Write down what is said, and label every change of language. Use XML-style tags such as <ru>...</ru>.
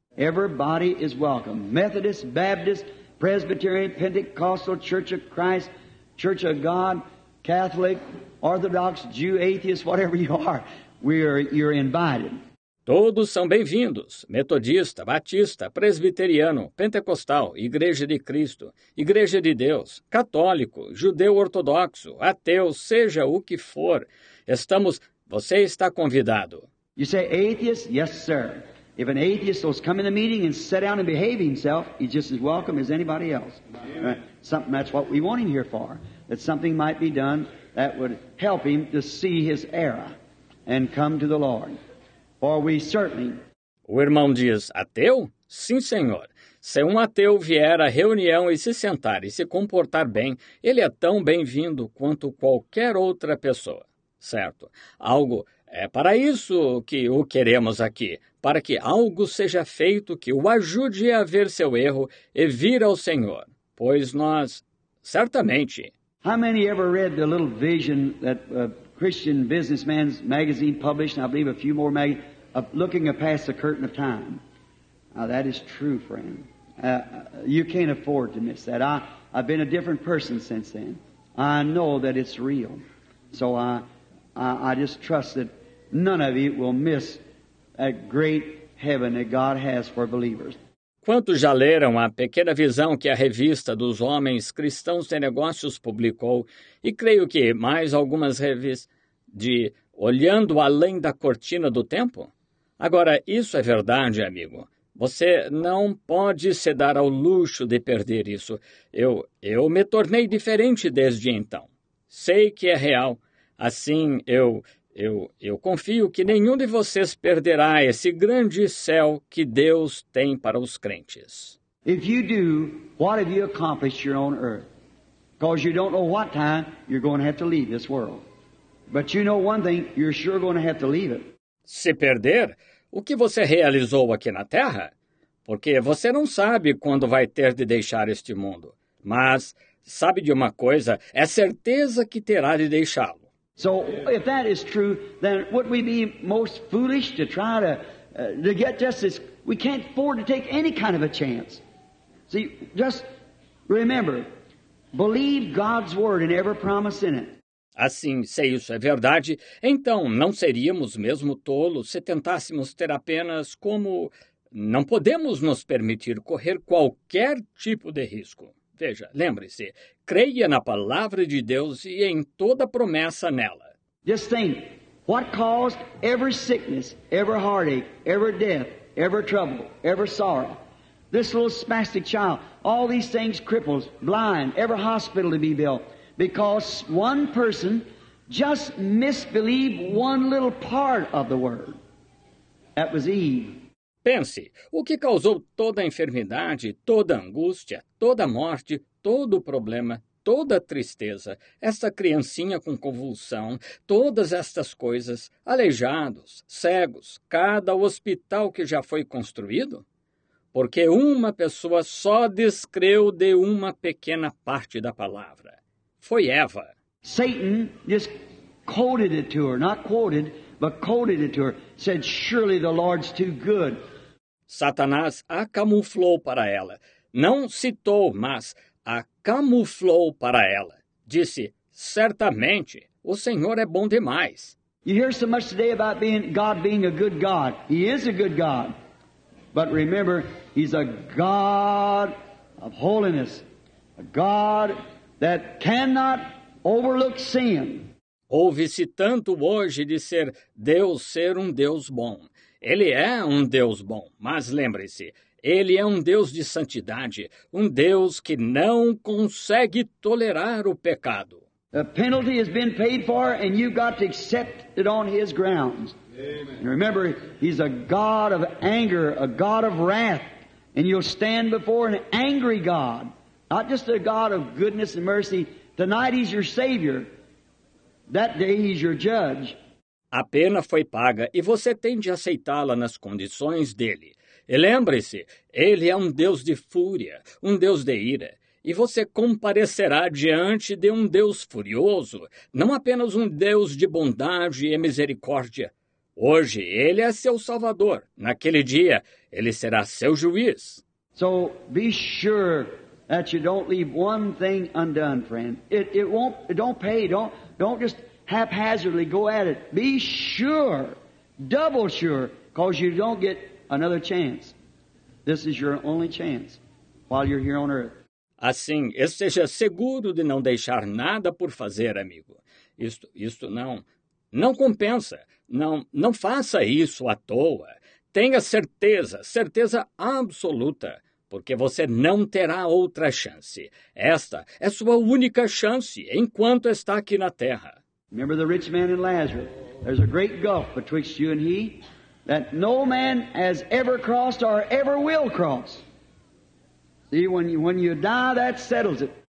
<en>Everybody is welcome. Methodist, Baptist, Presbyterian, Pentecostal, Church of Christ, Church of God, Catholic, Orthodox, Jew, Atheist, whatever you are, you're invited.</en> <pt>Todos são bem-vindos, metodista, batista, presbiteriano, pentecostal, igreja de Cristo, igreja de Deus, católico, judeu ortodoxo, ateu, seja o que for, você está convidado.</pt> <en>You say atheist? Yes, sir. If an atheist will come in the meeting and sit down and behave himself, he's just as welcome as anybody else. Something that's what we want him here for, that something might be done that would help him to see his error and come to the Lord. Or we certainly...</en> <pt>O irmão diz, ateu? Sim, senhor. Se um ateu vier à reunião e se sentar e se comportar bem, ele é tão bem-vindo quanto qualquer outra pessoa. Certo. Algo é para isso que o queremos aqui, para que algo seja feito que o ajude a ver seu erro e vir ao Senhor. Pois nós, certamente...</pt> <en>How many ever read the little vision that... Christian Businessman's magazine published, and I believe a few more magazines, of looking past the curtain of time. Now, that is true, friend. You can't afford to miss that. I've been a different person since then. I know that it's real. So I just trust that none of you will miss that great heaven that God has for believers.</en> <pt>Quantos já leram a pequena visão que a revista dos Homens Cristãos de Negócios publicou? E creio que mais algumas revistas de Olhando Além da Cortina do Tempo? Agora, isso é verdade, amigo. Você não pode se dar ao luxo de perder isso. Eu me tornei diferente desde então. Sei que é real. Assim, Eu confio que nenhum de vocês perderá esse grande céu que Deus tem para os crentes.</pt> <en>If you do, what have you accomplished here on earth? Because you don't know what time you're going to have to leave this world. But you know one thing, you're sure going to have to leave it.</en> <pt>Se perder, o que você realizou aqui na Terra? Porque você não sabe quando vai ter de deixar este mundo. Mas sabe de uma coisa, é certeza que terá de deixá-lo.</pt> <en>So if that is true, then would we be most foolish to try to get justice? We can't afford to take any kind of a chance. See, just remember, believe God's word and every promise in it.</en> <pt>Assim, se isso é verdade, então não seríamos mesmo tolos se tentássemos ter apenas como... Não podemos nos permitir correr qualquer tipo de risco. Veja, lembre-se, creia na palavra de Deus e em toda promessa nela.</pt> <en>Just think, what caused every sickness, every heartache, every death, every trouble, every sorrow? This little spastic child, all these things, cripples, blind, every hospital to be built, because one person just misbelieved one little part of the word. That was Eve.</en> <pt>pense, o que causou toda a enfermidade, toda a angústia, toda a morte, todo o problema, toda a tristeza, esta criancinha com convulsão, todas estas coisas, aleijados, cegos, cada hospital que já foi construído? Porque uma pessoa só descreu de uma pequena parte da palavra. Foi Eva.</pt> <en>Satan just quoted it to her, not quoted, but quoted it to her, said, surely the Lord's too good.</en> <pt>Satanás a camuflou para ela. Não citou, mas a camuflou para ela. Disse, certamente, o Senhor é bom demais.</pt> <en>You hear so much today about being, God being a good God. He is a good God. But remember, he's a God of holiness, a God that cannot overlook sin.</en> <pt>Ouve-se tanto hoje de ser Deus ser um Deus bom. Ele é um Deus bom, mas lembre-se, ele é um Deus de santidade, um Deus que não consegue tolerar o pecado.</pt> <en>The penalty has been paid for and you've got to accept it on his grounds. Amen. And remember, he's a God of anger, a God of wrath, and you'll stand before an angry God, not just a God of goodness and mercy. Tonight he's your Savior. That day he's your judge.</en> <pt>A pena foi paga e você tem de aceitá-la nas condições dele. E lembre-se, ele é um Deus de fúria, um Deus de ira. E você comparecerá diante de um Deus furioso, não apenas um Deus de bondade e misericórdia. Hoje ele é seu salvador. Naquele dia ele será seu juiz.</pt> <en>So be sure that you don't leave one thing undone, friend. Don't just haphazardly go at it. Be sure, double sure, because you don't get another chance. This is your only chance while you're here on earth.</en> <pt>Assim, esteja seguro de não deixar nada por fazer, amigo. Isto não. Não compensa. Não faça isso à toa. Tenha certeza, certeza absoluta, porque você não terá outra chance. Esta é sua única chance enquanto está aqui na Terra.</pt> <en>Remember the rich man and Lazarus. There's a great gulf betwixt you and he that no man has ever crossed or ever will cross. See, when you die, that settles it.</en>